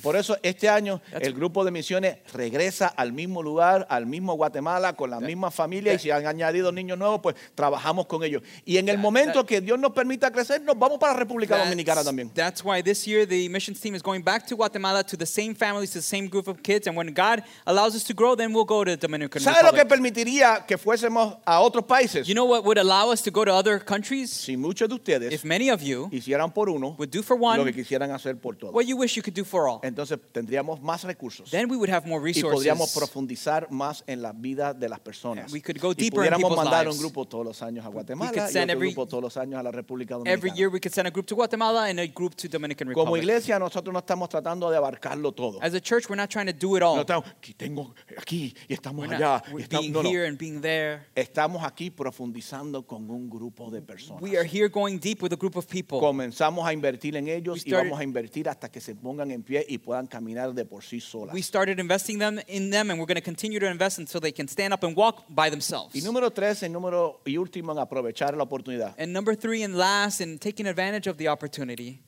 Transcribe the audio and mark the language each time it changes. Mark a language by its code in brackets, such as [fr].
[es] Por eso este año el grupo de misiones regresa al mismo lugar, al mismo Guatemala, con la misma familia. Y si han añadido niños nuevos, pues trabajamos con ellos. Y en el momento que Dios nos permita crecer, nos vamos para República Dominicana también. [en] That's why this year the missions team is going back to Guatemala to the same families, to the same group of kids. And when God allows us to grow, then we'll go to Dominican Republic. [es] Lo que permitiría que fuésemos a otros países. [en] You know what would allow us to go to other countries? [es] Si muchos de ustedes, [en] if many of you, [es] hicieran por uno, [en] would do for one, [es] lo que quisieran hacer por todos. [en] What you wish you could do for all. [es] Entonces tendríamos más recursos. [en] Then we would have more resources. [es] Y podríamos profundizar más en la vida de las personas. [en] We could go deeper in people's lives. Y [es] pudiéramos mandar un grupo todos los años a Guatemala. [en] We could send [es] y otro grupo todos los años a la República Dominicana. [en] Every year we could send a group to Guatemala and a group to Dominican Republic. [es] Como iglesia nosotros no estamos tratando de abarcarlo todo. [en] As a church we're not trying to do it all. [es] No estamos, aquí tengo aquí y estamos allá. [en] here and being there. [es] Estamos aquí profundizando con un grupo de personas. [en] We are here going deep with a group of people. [es] Comenzamos a invertir en ellos y vamos a invertir hasta que se pongan en pie y puedan caminar de por sí solas. [en] We started investing them in them, and we're going to continue to invest until they can stand up and walk by themselves. [es] Y número tres, el número y último en aprovechar la oportunidad. [en] And number three and last, in taking advantage of the opportunity.